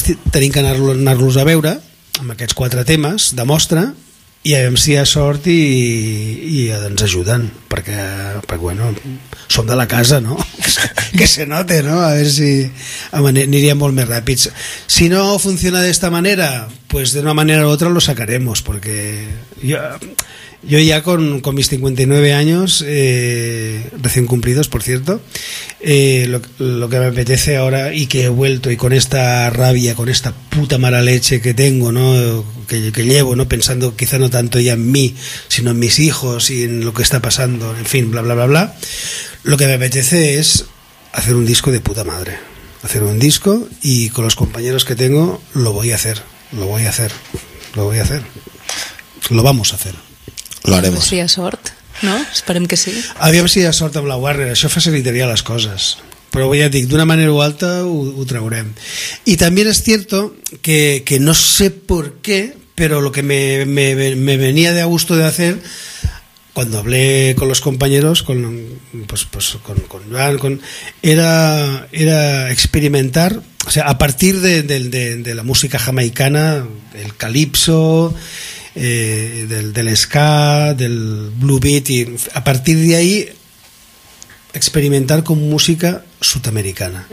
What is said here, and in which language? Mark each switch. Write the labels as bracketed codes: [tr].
[ca] Tenim que anar-los a veure amb aquests quatre temes de mostra i a veure si hi ha sort i ens ajuden, perquè bueno, som de la casa, no? Que se note, no? A veure si aniria molt més ràpids. [es] Si no funciona d'esta manera, pues de una manera u otra lo sacaremos, porque yo ya con mis 59 años, recién cumplidos, por cierto, lo que me apetece ahora y que he vuelto y con esta rabia, con esta puta mala leche que tengo, ¿no? que llevo, ¿no? Pensando quizá no tanto ya en mí, sino en mis hijos y en lo que está pasando, en fin, bla, bla, bla, bla. Lo que me apetece es hacer un disco de puta madre. Hacer un disco y con los compañeros que tengo lo voy a hacer, lo voy a hacer, lo voy a hacer. Lo vamos a hacer. Lo haremos. [ca] Sí, a sort, ¿no? Esperem que sí. Aviam si hi ha sort amb la Warner, això facilitaria les coses. Però ja et dic, d'una manera o altra ho traurem. [es] I també és cert que no sé per què, però el que me venia de gusto de fer, quan hablé con los compañeros, con Joan, era experimentar, o sea, a partir de la música jamaicana, el calipso, del ska, del blue beat, y a partir de ahí experimentar con música sudamericana.